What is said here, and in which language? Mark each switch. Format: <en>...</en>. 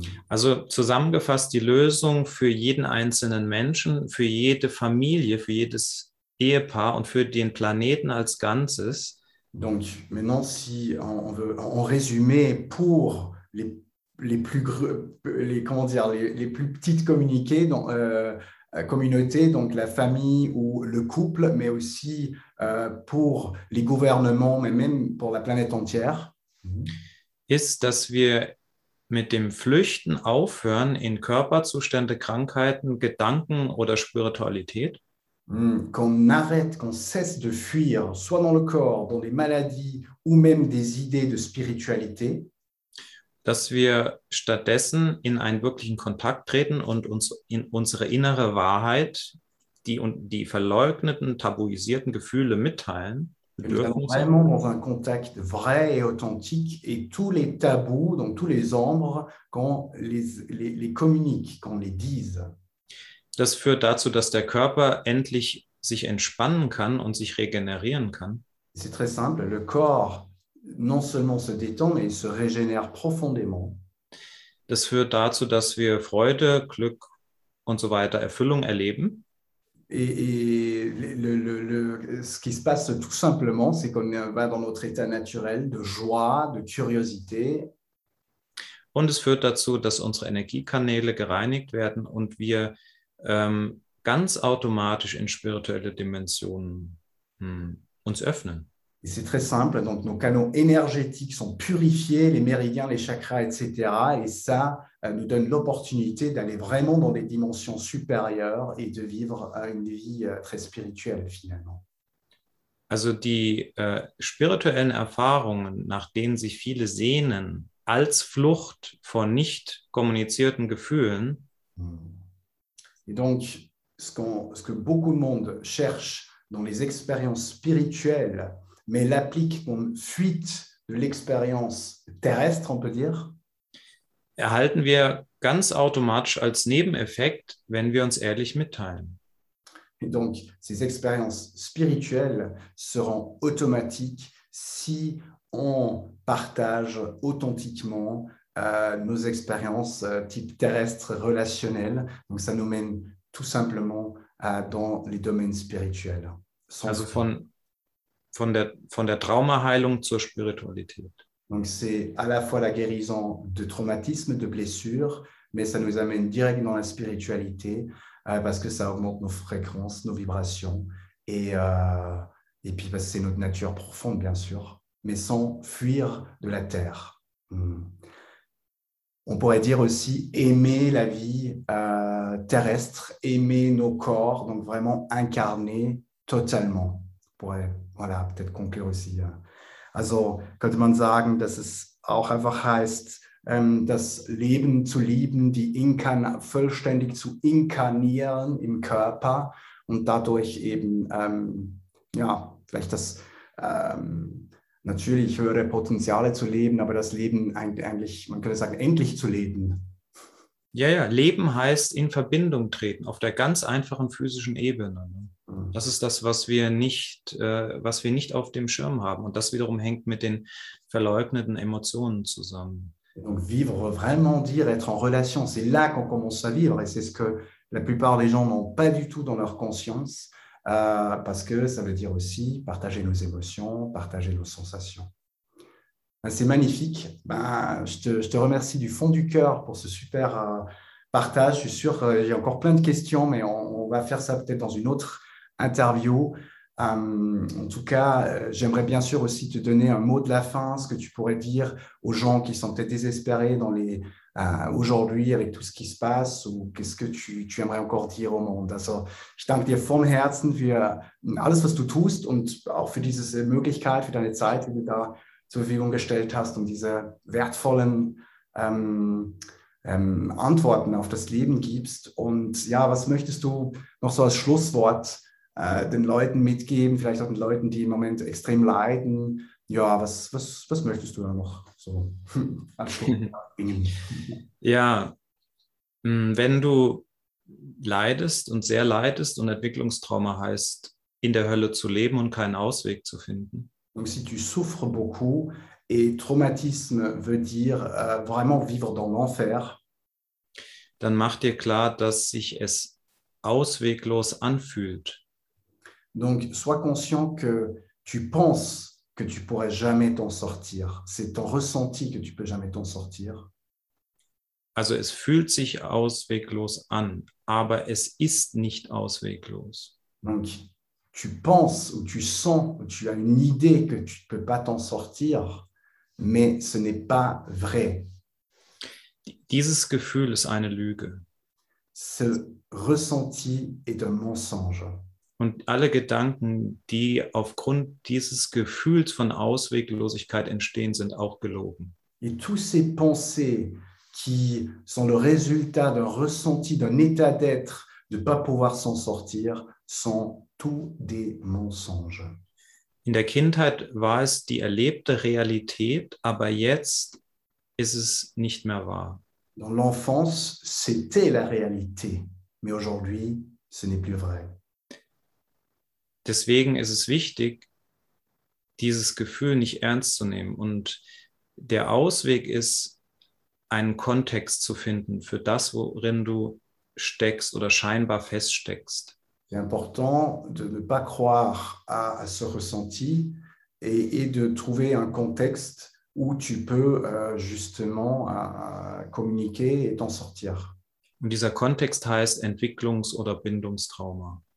<de>Also zusammengefasst, die Lösung für jeden einzelnen Menschen, für jede Familie, für jedes Ehepaar und für den Planeten als Ganzes.</de> <fr>Donc maintenant, si on veut en résumer pour les plus petites communiquées, donc, communautés, donc la famille ou le couple, mais aussi pour les gouvernements, mais même pour la planète entière.</fr> <de>Ist, dass wir mit dem Flüchten aufhören in Körperzustände, Krankheiten, Gedanken oder Spiritualität?</de> <fr>Qu'on arrête, qu'on cesse de fuir, soit dans le corps, dans les maladies ou même des idées de spiritualité.</fr> <de>Dass wir stattdessen in einen wirklichen Kontakt treten und uns in unsere innere Wahrheit, die verleugneten, tabuisierten Gefühle mitteilen. Wir sind</de> <fr>vraiment dans un contact vrai et authentique et tous les tabous, donc tous les ombres, qu'on les communique, qu'on les dise.</fr> <de>Das führt dazu, dass der Körper endlich sich entspannen kann und sich regenerieren kann.</de> <fr>C'est très simple, le corps non seulement se détend, mais il se régénère profondément.</fr> <de>Das führt dazu, dass wir Freude, Glück und so weiter, Erfüllung erleben.</de> <fr>Et ce qui se passe tout simplement, c'est qu'on va dans notre état naturel de joie, de curiosité.</fr> <de>Und es führt dazu, dass unsere Energiekanäle gereinigt werden und wir ganz automatisch in spirituelle Dimensionen uns öffnen.</de> <fr>Et c'est très simple, donc nos canaux énergétiques sont purifiés, les méridiens, les chakras, etc. Et ça nous donne l'opportunité d'aller vraiment dans des dimensions supérieures et de vivre une vie très spirituelle, finalement.</fr> <de>Also die spirituellen Erfahrungen, nach denen sich viele sehnen, als Flucht vor nicht kommunizierten Gefühlen,</de> <fr>Et donc, ce que beaucoup de monde cherche dans les expériences spirituelles, mais l'applique comme fuite de l'expérience terrestre, on peut dire,</fr> <de>erhalten wir ganz automatisch als Nebeneffekt, wenn wir uns ehrlich mitteilen.</de> <fr>Et donc, ces expériences spirituelles seront automatiques si on partage authentiquement nos expériences type terrestre relationnel. Donc, ça nous mène tout simplement dans les domaines spirituels.</fr> <de>Also von der Traumaheilung zur Spiritualität.</de> <fr>Donc, c'est à la fois la guérison de traumatismes, de blessures, mais ça nous amène direct dans la spiritualité parce que ça augmente nos fréquences, nos vibrations. Et puis, parce que c'est notre nature profonde, bien sûr, mais sans fuir de la terre. On pourrait dire aussi aimer la vie terrestre, aimer nos corps, donc vraiment incarner totalement. On pourrait, voilà, peut-être conclure aussi.</fr> <de>Also könnte man sagen, dass es auch einfach heißt, das Leben zu lieben, die vollständig zu inkarnieren im Körper und dadurch eben, ja, vielleicht das natürlich höhere Potenziale zu leben, aber das Leben eigentlich, man könnte sagen, endlich zu leben. Ja, ja, Leben heißt in Verbindung treten, auf der ganz einfachen physischen Ebene. Das ist das, was wir nicht auf dem Schirm haben. Und das wiederum hängt mit den verleugneten Emotionen zusammen.</de> <fr>Donc vivre, vraiment dire, être en relation, c'est là qu'on commence à vivre. Et c'est ce que la plupart des gens n'ont pas du tout dans leur conscience. Parce que ça veut dire aussi partager nos émotions, partager nos sensations. C'est magnifique. Je te remercie du fond du cœur pour ce super partage. Je suis sûr qu'il y a encore plein de questions, mais on va faire ça peut-être dans une autre interview. En tout cas, j'aimerais bien sûr aussi te donner un mot de la fin, ce que tu pourrais dire aux gens qui sont peut-être désespérés aujourd'hui avec tout ce qui se passe, ou qu'est-ce que tu aimerais encore dire au monde.</fr> <de>Also, ich danke dir von Herzen für alles, was du tust und auch für diese Möglichkeit, für deine Zeit, die du da zur Verfügung gestellt hast und diese wertvollen Antworten auf das Leben gibst. Und ja, was möchtest du noch so als Schlusswort den Leuten mitgeben, vielleicht auch den Leuten, die im Moment extrem leiden? Ja, was möchtest du da noch so als Schlusswort? Ja, wenn du leidest und sehr leidest und Entwicklungstrauma heißt, in der Hölle zu leben und keinen Ausweg zu finden.</de> <fr>Donc si tu souffres beaucoup et traumatisme veut dire vraiment vivre dans l'enfer,</fr> <de>dann mach dir klar, dass sich es ausweglos anfühlt.</de> <fr>Donc sois conscient que tu penses que tu pourrais jamais t'en sortir. C'est ton ressenti que tu peux jamais t'en sortir.</fr> <de>Also es fühlt sich ausweglos an, aber es ist nicht ausweglos.</de> <fr>Donc tu penses ou tu sens ou tu as une idée que tu ne peux pas t'en sortir, mais ce n'est pas vrai.</fr> <de>Dieses Gefühl ist eine Lüge.</de> <fr>Ce ressenti est un mensonge.</fr> <de>Und alle Gedanken, die aufgrund dieses Gefühls von Ausweglosigkeit entstehen, sind auch gelogen.</de> <fr>Et tous ces pensées qui sont le résultat d'un ressenti, d'un état d'être, de ne pas pouvoir s'en sortir, sont tous des mensonges.</fr> <de>In der Kindheit war es die erlebte Realität, aber jetzt ist es nicht mehr wahr.</de> <fr>Dans l'enfance, c'était la réalité, mais aujourd'hui, ce n'est plus vrai.</fr> <de>Deswegen ist es wichtig, dieses Gefühl nicht ernst zu nehmen. Und der Ausweg ist, einen Kontext zu finden für das, worin du steckst oder scheinbar feststeckst.</de> <fr>C'est important de ne pas croire à ce ressenti et de trouver un contexte où tu peux justement communiquer et t'en sortir.</fr> <de>Und dieser Kontext heißt Entwicklungs- oder Bindungstrauma.</de>